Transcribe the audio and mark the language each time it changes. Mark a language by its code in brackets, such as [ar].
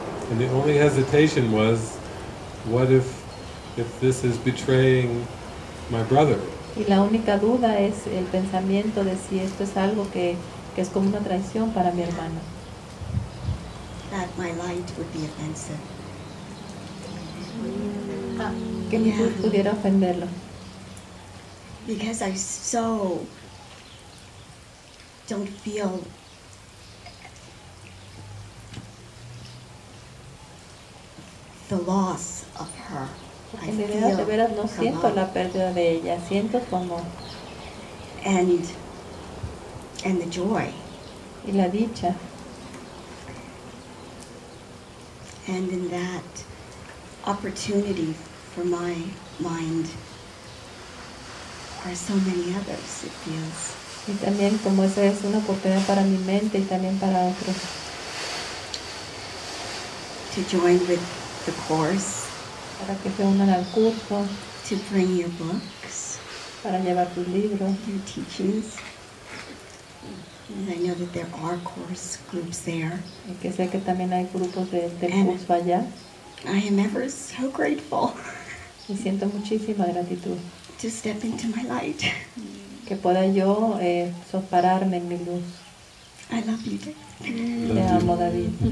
[en] And the only hesitation was, what if this is betraying my brother? [es] Y la única duda es el pensamiento de si esto es algo que es como una traición para mi hermano. [en] That my light would be offensive. [es] Que mi luz pudiera ofenderlo. [en] Because I so don't feel the loss of her. [es] En realidad, de veras, no siento la pérdida de ella. Siento su amor. [en] And the joy. [es] Y la dicha. [en] And in that opportunity for my mind. There are so many others, it feels. [es] Y también como esa es una oportunidad para mi mente y también para otros. [en] To join with the course. [es] Para que se unan al curso. [en] To bring your books. [es] Para llevar tus libros. [en] Your teachings. And I know that there are course groups there. [es] Y que sé que también hay grupos de curso allá. [en] I am ever so grateful. [es] Me siento muchísima gratitud. [en] To step into my light. [es] Que pueda yo sopararme en mi luz. [en] I love you, David. [es] Te amo, David.